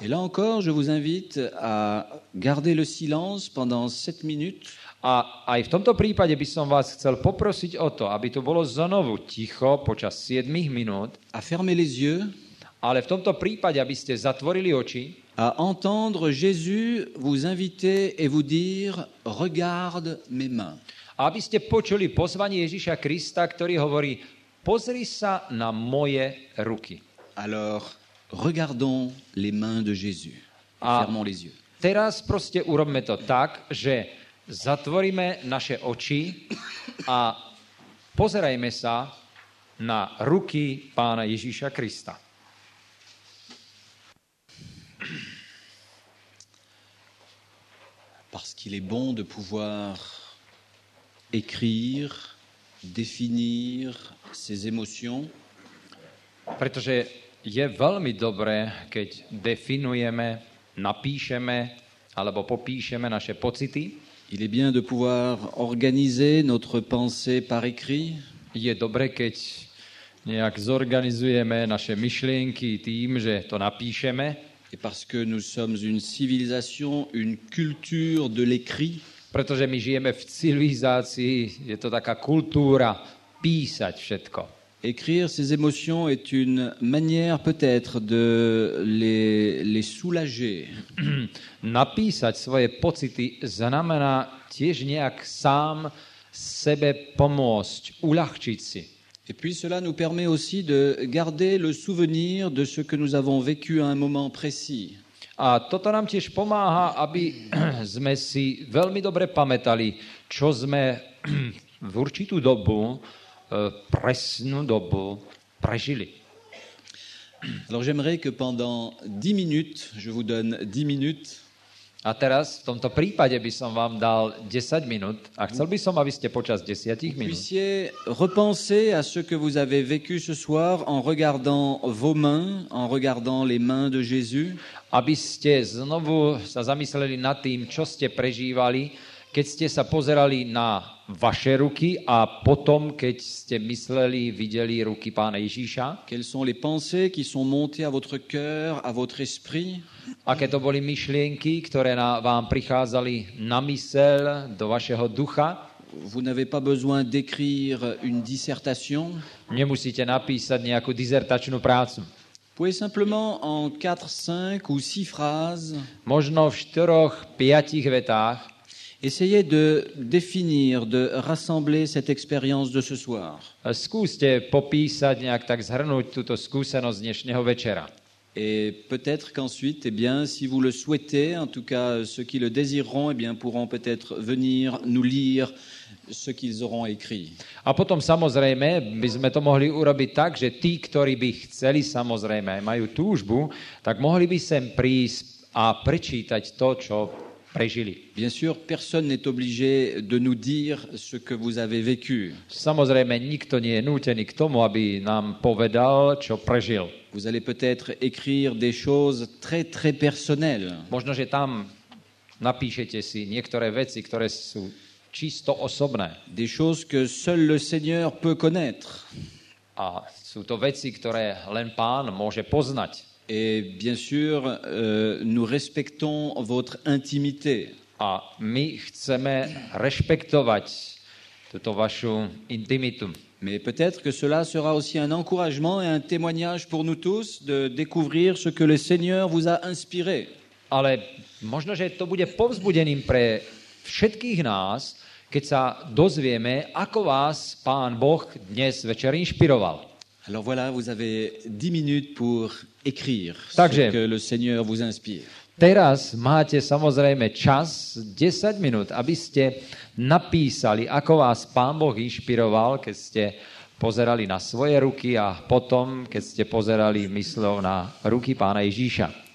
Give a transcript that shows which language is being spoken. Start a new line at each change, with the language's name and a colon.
French: Et là encore, je vous invite à garder le silence pendant 7 minutes.
Slovak: A aj v tomto prípade by som vás chcel poprosiť o to, aby to bolo znovu ticho počas 7 minút.
French: A fermer les yeux.
Slovak: Ale v tomto prípade, aby ste zatvorili oči.
French: À entendre Jésus vous inviter et vous dire regarde mes mains.
Slovak: Aby ste počuli pozvanie Ježíša Krista, ktorý hovorí: pozri sa na moje ruky.
French: Alors, regardons les mains de Jésus. Fermons les yeux.
Slovak: Teraz proste urobme to tak, že zatvoríme naše oči a pozerajme sa na ruky Pána Ježíša Krista.
French: Parce qu'il est bon de pouvoir écrire, définir ses émotions.
Slovak: Pretože je veľmi dobré, keď definujeme, napíšeme alebo popíšeme naše pocity.
French: Il est bien de pouvoir organiser notre pensée par écrit.
Slovak: Je dobré, keď nejak zorganizujeme naše myšlienky tým, že to napíšeme.
French: Et parce que nous sommes une civilisation, une culture de l'écrit.
Slovak: Pretože my žijeme v civilizácii, je to taká kultúra písať všetko.
French: Écrire ses émotions est une manière peut-être de les soulager.
Slovak: Napísať svoje pocity znamená tiež nejak sám sebe pomôcť, uľahčiť si.
French: Et puis cela nous permet aussi de garder le souvenir de ce que nous avons vécu à un moment précis.
Slovak: A toto nám tiež pomáha, aby sme si veľmi dobre pamätali, čo sme v určitú dobu, presnú dobu prežili.
French: Alors j'aimerais que pendant 10 minutes, je vous donne 10 minutes.
Slovak: A teraz v tomto prípade by som vám dal 10 minút a chcel by som, aby ste počas 10 minút
French: puissiez repenser à ce que vous avez vécu ce soir en regardant vos mains, en regardant les mains de Jésus.
Slovak: Aby ste znovu sa zamysleli nad tým, čo ste prežívali, keď ste sa pozerali na vaše ruky a potom, keď ste mysleli, videli ruky Pána Ježíša.
French: Quelles sont les pensées qui sont montées à votre cœur, à votre esprit?
Slovak: Aké to boli myšlienky, ktoré vám prichádzali na myseľ, do vašeho ducha?
French: Vous n'avez pas besoin d'écrire une dissertation.
Slovak: Nemusíte napísať nejakú dizertačnú prácu.
French: Pouvez simplement en 4, 5 ou 6 phrases.
Slovak: Možno v 4, 5 vetách.
French: Essayez de définir, de rassembler cette expérience de ce soir.
Slovak: Skúste popísať nejak tak zhrnúť túto skúsenosť dnešného večera.
French: Et peut-être qu'ensuite, eh bien, si vous le souhaitez, en tout cas ceux qui le désireront, eh bien, pourront peut-être venir nous lire ce qu'ils auront écrit.
Slovak: A potom samozrejme, by sme to mohli urobiť tak, že tí, ktorí by chceli samozrejme, majú túžbu, tak mohli by sem prísť a prečítať to, čo prežili.
French: Bien sûr, personne n'est obligé de nous dire ce que vous avez vécu.
Slovak: Samozrejme, nikto nie je nútený k tomu, aby nám povedal, čo prežil.
French: Vous allez peut-être écrire des choses très très personnelles.
Slovak: Možno, že tam napíšete si niektoré veci, ktoré sú čisto osobné.
French: Des choses que seul le Seigneur peut connaître.
Slovak: A sú to veci, ktoré len Pán môže poznať.
French: Et bien sûr, nous respectons votre intimité.
Slovak: A my chceme rešpektovať túto vašu intimitu.
French: Mais peut-être que cela sera aussi un encouragement et un témoignage pour nous tous de découvrir ce que le Seigneur vous a inspiré.
Slovak: Ale možno, že to bude povzbudením pre všetkých nás, keď sa dozvieme, ako vás Pán Boh dnes večer inšpiroval.
French: Alors voilà, vous avez 10 minutes pour écrire ce que le Seigneur vous inspire.
Slovak: Teraz máte samozrejme čas 10 minút, aby ste napísali, ako vás Pán Boh inšpiroval, keď ste pozerali na svoje ruky a potom, keď ste pozerali mysľou na ruky Pána Ježíša.